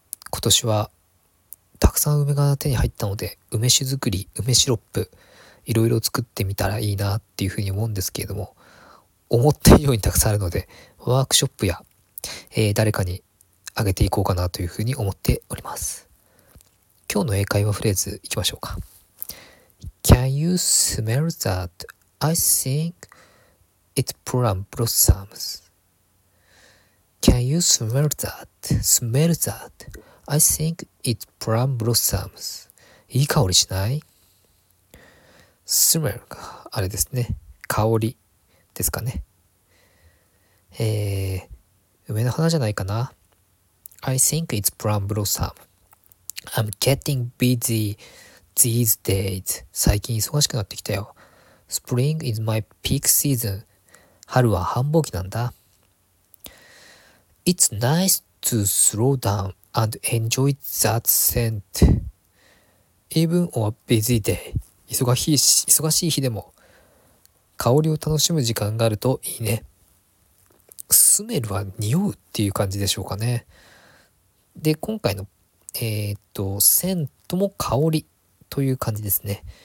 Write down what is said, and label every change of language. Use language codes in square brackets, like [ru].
[ja] 今年はたくさん梅が手に入ったので、梅酒作り、梅シロップ、いろいろ作ってみたらいいなっていうふうに思うんですけれども、思ったようにたくさんあるので、ワークショップや、誰かにあげていこうかなというふうに思っております。今日の英会話フレーズいきましょうか。 [en] Can you smell that? I think it's plum blossoms. Can you smell that? Smell that? I think it's plum blossoms. [ja] いい香りしない？ smell か、あれですね、香りですかね。梅の花じゃないかな。 [en] I think it's plum blossom. I'm getting busy these days. [ja] 最近忙しくなってきたよ。 [en] Spring is my peak season. [ja] 春は繁忙期なんだ。 [en] It's nice to slow down and enjoy that scent. Even on a busy day. [ja] 忙しい日でも香りを楽しむ時間があるといいね。スメルは匂うっていう感じでしょうかね。で、今回のセントも香りという感じですね。